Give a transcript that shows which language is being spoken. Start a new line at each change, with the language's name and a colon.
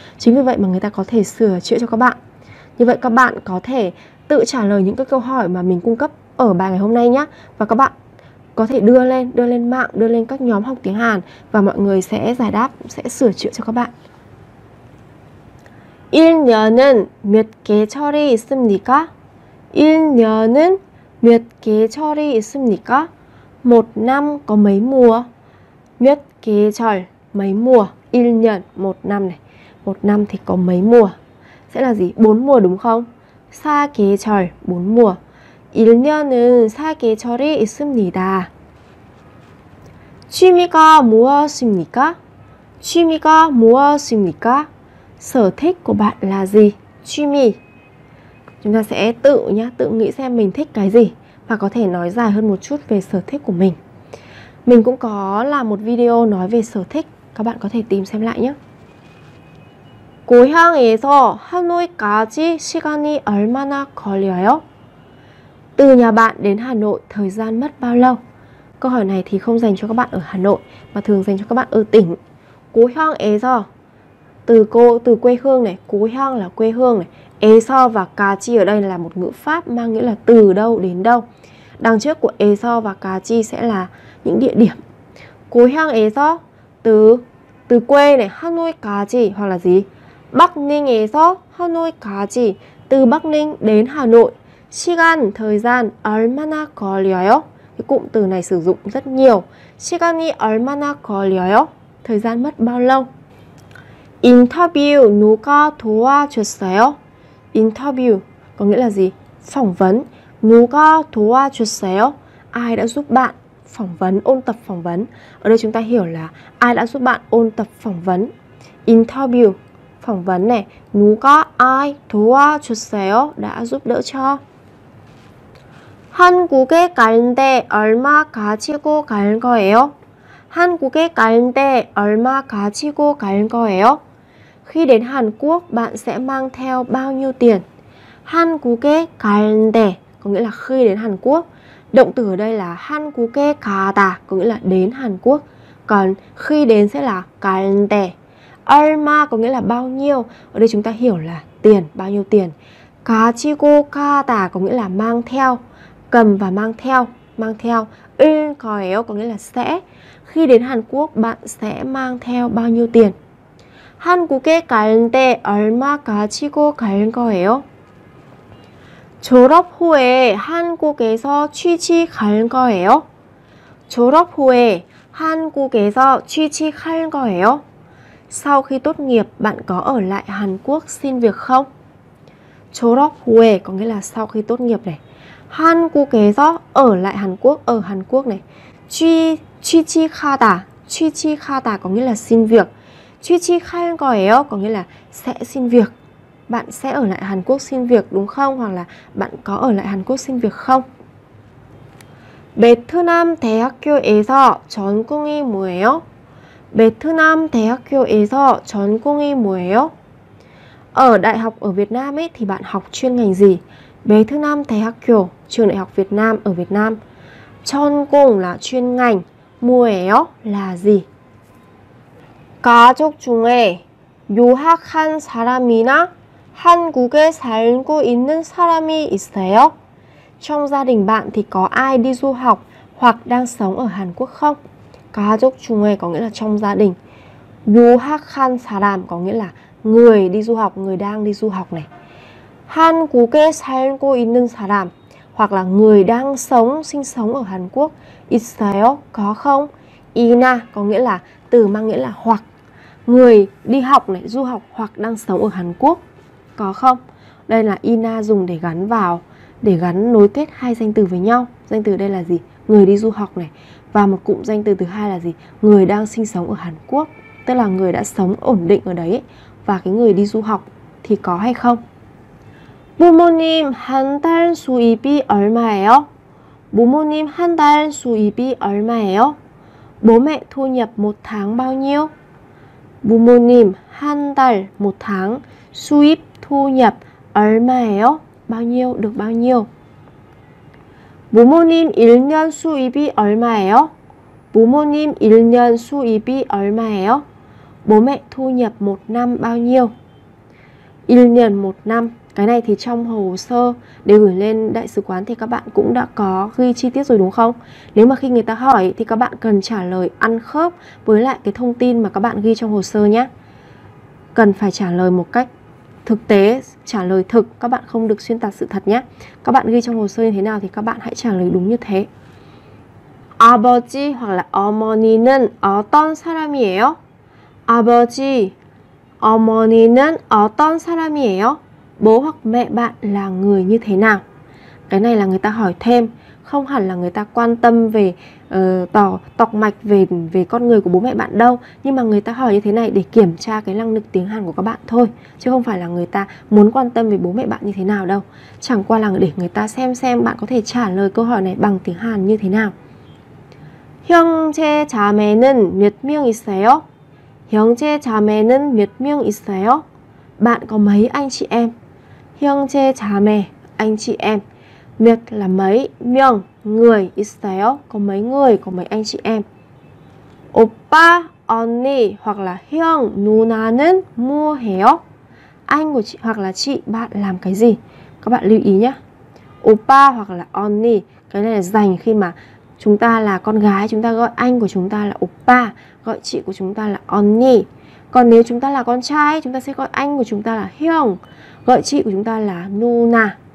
Vietnamese: Chính vì vậy mà người ta có thể sửa chữa cho các bạn. Như vậy các bạn có thể tự trả lời những cái câu hỏi mà mình cung cấp ở bài ngày hôm nay nhé. Và các bạn có thể đưa lên mạng, đưa lên các nhóm học tiếng Hàn. Và mọi người sẽ giải đáp, sẽ sửa chữa cho các bạn.
Korean: 1년은 몇 계절이 있습니까? 1년은 몇 계절이 있습니까?
Vietnamese: Một năm có mấy mùa?
Korean: 몇 계절,
Vietnamese: mấy mùa. 1년, một năm này. Một năm thì có mấy mùa? Sẽ là gì? 4 mùa đúng không?
Korean: 4 계절,
Vietnamese: 4 mùa.
Korean: 1년은 4 계절이 있습니다. 취미가 무엇입니까? 취미가 무엇입니까?
Vietnamese: Sở thích của bạn là gì?
Korean: 취미.
Vietnamese: Chúng ta sẽ tự nhá, tự nghĩ xem mình thích cái gì và có thể nói dài hơn một chút về sở thích của mình. Mình cũng có làm một video nói về sở thích, các bạn có thể tìm xem lại nhé.
Korean: 고향에서 하노이까지 시간이 얼마나 걸려요?
Vietnamese: Từ nhà bạn đến Hà Nội thời gian mất bao lâu? Câu hỏi này thì không dành cho các bạn ở Hà Nội mà thường dành cho các bạn ở tỉnh.
Korean: 고향에서
Vietnamese: từ quê hương này, 고향 là quê hương này. 에서 và 까지 ở đây là một ngữ pháp mang nghĩa là từ đâu đến đâu. Đằng trước của 에서 và 까지 sẽ là những địa điểm.
Korean: 고향에서
Vietnamese: từ quê này,
Korean: 하노이까지
Vietnamese: hoặc là gì?
Korean: 박닝에서 하노이까지
Vietnamese: từ Bắc Ninh đến Hà Nội.
Korean: 시간
Vietnamese: thời gian
Korean: 얼마나 걸려요?
Vietnamese: Cái cụm từ này sử dụng rất nhiều.
Korean: 시간이 얼마나 걸려요?
Vietnamese: Thời gian mất bao lâu?
Korean: Interview 누가 도와줬어요?
Vietnamese: Interview có nghĩa là gì? Phỏng vấn.
Korean: 누가 도와줬어요?
Vietnamese: Ai đã giúp bạn? phỏng vấn, ôn tập phỏng vấn. Ở đây chúng ta hiểu là ai đã giúp bạn ôn tập phỏng vấn. Interview, phỏng vấn này.
Korean: 누가 아이 도와줬어요?
Vietnamese: Đã giúp đỡ cho.
Korean: 한국에 가는데 얼마 가지고 갈 거예요? 한국에 가는데 얼마 가지고 갈 거예요?
Vietnamese: Khi đến Hàn Quốc, bạn sẽ mang theo bao nhiêu tiền?
Korean: 한국에 가는데
Vietnamese: có nghĩa là khi đến Hàn Quốc. Động từ ở đây là
Korean: 한국에 가다
Vietnamese: có nghĩa là đến Hàn Quốc. Còn khi đến sẽ là
Korean: 가는데.
Vietnamese: 얼마 có nghĩa là bao nhiêu. Ở đây chúng ta hiểu là tiền, bao nhiêu tiền.
Korean: 가지고 가다
Vietnamese: có nghĩa là mang theo, cầm và mang theo. Mang theo
Korean: 을 거예요
Vietnamese: có nghĩa là sẽ. Khi đến Hàn Quốc bạn sẽ mang theo bao nhiêu tiền.
Korean: 한국에 가는데 얼마 가지고 갈 거예요? 졸업 후에 한국에서 취직할 거예요? 졸업 후에 한국에서 취직할 거예요?
Vietnamese: Sau khi tốt nghiệp bạn có ở lại Hàn Quốc xin việc không?
Korean: 졸업 후에
Vietnamese: có nghĩa là sau khi tốt nghiệp này.
Korean: 한국에서
Vietnamese: ở lại Hàn Quốc, ở Hàn Quốc này.
Korean: 취직하다.
Vietnamese: 취직하다 có nghĩa là xin việc.
Korean: 취직할 거예요
Vietnamese: có nghĩa là sẽ xin việc. Bạn sẽ ở lại Hàn Quốc xin việc đúng không? Hoặc là bạn có ở lại Hàn Quốc xin việc không?
Korean: 베트남 대학교에서 전공이 뭐예요? 베트남 대학교에서 전공이 뭐예요?
Vietnamese: Ở đại học ở Việt Nam ấy thì bạn học chuyên ngành gì?
Korean: 베트남 대학교,
Vietnamese: trường đại học Việt Nam ở Việt Nam. 전공 là chuyên ngành,
Korean: 뭐예요
Vietnamese: là gì?
Korean: 가족 중에 유학한 사람이나 한국에 살고 있는 사람이 있어요?
Vietnamese: Trong gia đình bạn thì có ai đi du học hoặc đang sống ở Hàn Quốc không?
Korean: 가족 중에
Vietnamese: có nghĩa là trong gia đình.
Korean: 유학한 사람
Vietnamese: có nghĩa là người đi du học, người đang đi du học này. 한국에 살고 있는 사람 hoặc là người đang sống, sinh sống ở Hàn Quốc.
Korean: 있어요?
Vietnamese: Có không? 이나 có nghĩa là từ mang nghĩa là hoặc. Người đi học này, du học hoặc đang sống ở Hàn Quốc. Có không? Đây là ina dùng để gắn vào, để gắn nối kết hai danh từ với nhau. Danh từ đây là gì? Người đi du học này. Và một cụm danh từ thứ hai là gì? Người đang sinh sống ở Hàn Quốc. Tức là người đã sống ổn định ở đấy ấy. Và cái người đi du học thì có hay không?
Korean: 부모님 한 달 수입이 얼마예요? 부모님 한 달 수입이 얼마예요?
Vietnamese: Bố mẹ thu nhập một tháng bao nhiêu?
Korean: 부모님 한 달
Vietnamese: một tháng
Korean: 수입
Vietnamese: thu nhập
Korean: 얼마예요?
Vietnamese: Bao nhiêu, được bao nhiêu?
Korean: 부모님 1년 수입이 얼마예요? 부모님 1년 수입이 얼마예요?
Vietnamese: Bố mẹ thu nhập một năm bao nhiêu? 1년 một năm. Cái này thì trong hồ sơ để gửi lên đại sứ quán thì các bạn cũng đã có ghi chi tiết rồi đúng không? Nếu mà khi người ta hỏi thì các bạn cần trả lời ăn khớp với lại cái thông tin mà các bạn ghi trong hồ sơ nhé. Cần phải trả lời một cách thực tế, trả lời thực, các bạn không được xuyên tạc sự thật nhé. Các bạn ghi trong hồ sơ như thế nào thì các bạn hãy trả lời đúng như thế.
Korean: 아버지
Vietnamese: hoặc là
Korean: 어머니는 어떤 사람이에요? 아버지 어머니는 어떤 사람이에요?
Vietnamese: Bố hoặc mẹ bạn là người như thế nào? Cái này là người ta hỏi thêm, không hẳn là người ta quan tâm về tọc mạch về con người của bố mẹ bạn đâu. Nhưng mà người ta hỏi như thế này để kiểm tra cái năng lực tiếng Hàn của các bạn thôi, chứ không phải là người ta muốn quan tâm về bố mẹ bạn như thế nào đâu. Chẳng qua là để người ta xem bạn có thể trả lời câu hỏi này bằng tiếng Hàn như thế nào.
Korean: 형제 자매는 몇 명 있어요? 형제 자매는 몇 명 있어요?
Vietnamese: Bạn có mấy anh chị em?
Korean: 형제 자매,
Vietnamese: anh chị em. 몇 là mấy, 명, người, 있어요, có mấy người, có mấy anh chị em.
Korean: 오빠, 언니
Vietnamese: hoặc là
Korean: 형, 누나는 뭐 해요?
Vietnamese: Anh của chị hoặc là chị, bạn làm cái gì? Các bạn lưu ý nhé. 오빠 hoặc là 언니, cái này là dành khi mà chúng ta là con gái, chúng ta gọi anh của chúng ta là 오빠, gọi chị của chúng ta là 언니. Còn nếu chúng ta là con trai, chúng ta sẽ gọi anh của chúng ta là 형, gọi chị của chúng ta là 누나.